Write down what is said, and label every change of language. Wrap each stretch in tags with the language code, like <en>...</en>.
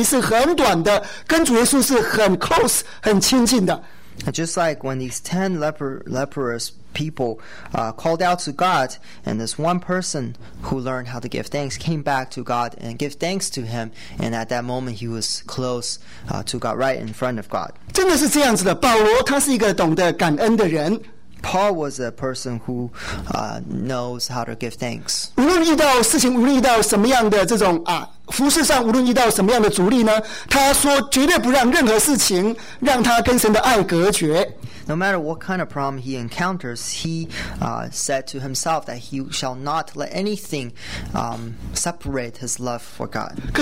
<zh>就好像这十个人原来是远远的离开主耶稣好远的在那边招呼，现在这个懂得感恩的人呢，却匍匐在主耶稣面前，那个距离是很短的，跟主耶稣是很 close 很亲近的。</zh> <en>Just like when these 10 leprous people called out to God, and this one person who learned how to give thanks came back to God and give thanks to him, and at that moment he was close to God, right in front of God.</en> <zh>真的是这样子的, 保罗他是一个懂得感恩的人。</zh> <en>Paul was a person who knows how to give thanks.</en> <zh>无论遇到事情，无论遇到什么样的这种服事上，无论遇到什么样的阻力呢？他说绝对不让任何事情让他跟神的爱隔绝。</zh> <en>No matter what kind of problem he encounters, he said to himself that he shall not let anything separate his love for God.</en>